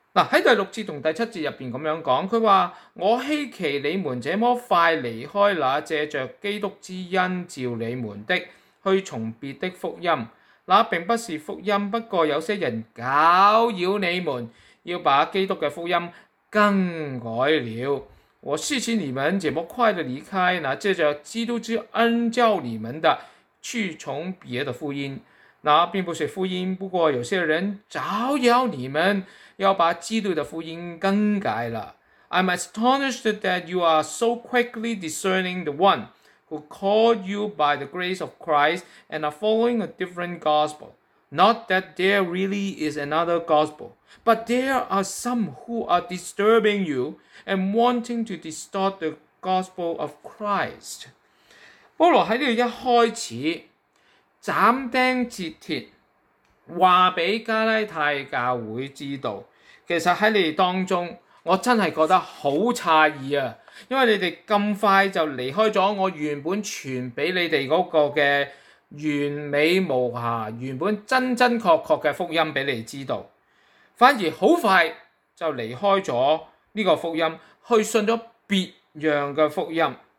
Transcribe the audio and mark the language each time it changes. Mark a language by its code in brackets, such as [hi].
[zh] 在第六节和第七节里面这样讲，他说我希奇你们这么快离开那借着基督之恩召你们的去从别的福音，那并不是福音，不过有些人搅扰你们，要把基督的福音更改了。我希奇你们这么快的离开那借着基督之恩召你们的去从别的福音，那并不是福音，不过有些人搅扰你们，要把基督的福音更改了。 [en] I'm astonished that you are so quickly discerning the one who called you by the grace of Christ and are following a different gospel. Not that there really is another gospel, but there are some who are disturbing you and wanting to distort the gospel of Christ. [zh] 保罗在这里一开始斩钉截铁话给加拉太教会知道，其实在你们当中我真的觉得很诧异啊，因为你们这么快就离开了我原本传给你们那个的完美无瑕原本真真确确的福音给你们知道，反而很快就离开了这个福音去信了别样的福音。